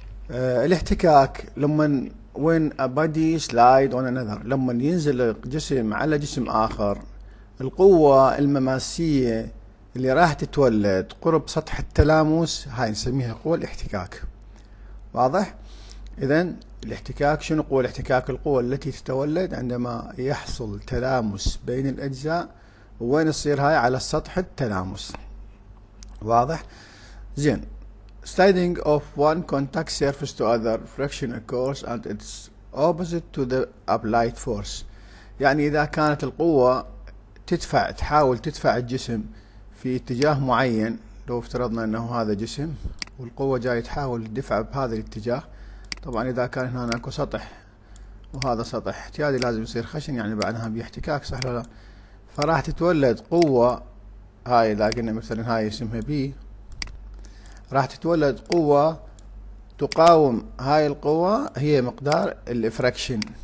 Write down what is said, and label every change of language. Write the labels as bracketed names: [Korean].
[Arabic] الاحتكاك لما وين ابدي سلايد وانا نذر، لما ينزل جسم على جسم آخر، القوة المماسية اللي راح تتولد قرب سطح التلامس، هاي نسميها قوة الاحتكاك. واضح؟ إذن الاحتكاك شنو قوة الاحتكاك؟ القوة التي تتولد عندما يحصل تلامس بين الأجزاء. وين تصير هاي؟ على السطح التلامس. واضح؟ زين. [English] Sliding of one contact surface to other, friction occurs and it's opposite to the applied force. [Arabic] يعني إذا كانت القوة تحاول تدفع الجسم في اتجاه معين، لو افترضنا أنه هذا جسم والقوة جاي تحاول تدفع بهذا الاتجاه، طبعا اذا كان هنا اكو سطح وهذا سطح احتيادي لازم يصير خشن، يعني بعدها باحتكاك، صح ولا لا؟ فراح تتولد قوة، هاي اذا قلنا مثلا هاي اسمها بي، راح تتولد قوة تقاوم هاي القوة، هي مقدار الفراكشن.